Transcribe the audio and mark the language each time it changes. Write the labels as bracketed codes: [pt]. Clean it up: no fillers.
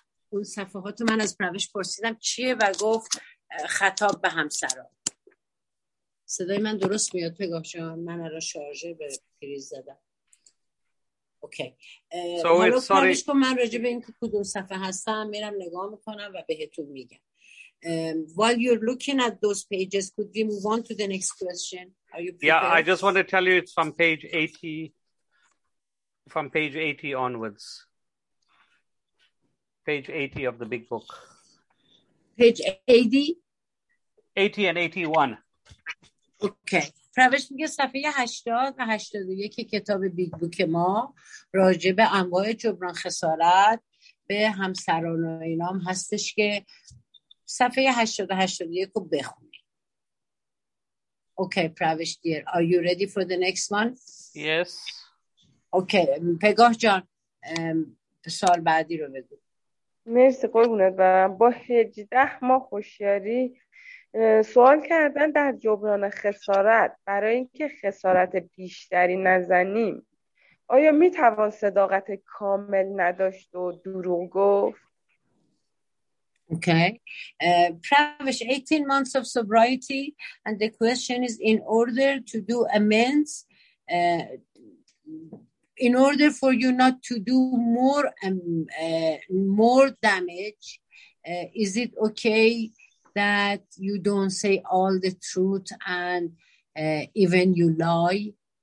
[fa] اون صفحات من از پروش پرسیدم چیه و گفت خطاب به همسران. صدای من درست میاد پگاه شما؟ من را شارژه به پریز زدم. اوکی. [en] Okay. So [fa] پروش کن من راجب این که کدوم صفحه هستم میرم نگاه میکنم و بهتون میگم. [en] While you're looking at those pages, could we move on to the next question? Are you prepared? Yeah, I just want to tell you it's from page 80, from page 80 onwards. Page 80 of the big book. Page 80? 80 and 81. Okay. [fa] پروش میگه صفحه 80 و 81 کتاب بیگ بوک ما راجع به انواع جبران خسارت به همسران و اینام هستش که صفحه 80 و 81 رو بخونی. اوکی پروش دیر. [en] Are you ready for the next one? Yes. [fa] اوکی. پگاه جان سال بعدی رو بگو. مرسی قربونت برم. با 18 ماه خوشیاری سوال کردن در جبران خسارت، برای اینکه خسارت بیشتری نزنیم، آیا میتوان صداقت کامل نداشت و دروغ گفت؟ [en] Okay. Pravesh, 18 months of sobriety, and the question is, in order to do amends, in order for you not to do more more damage, is it okay that you don't say all the truth and even you lie?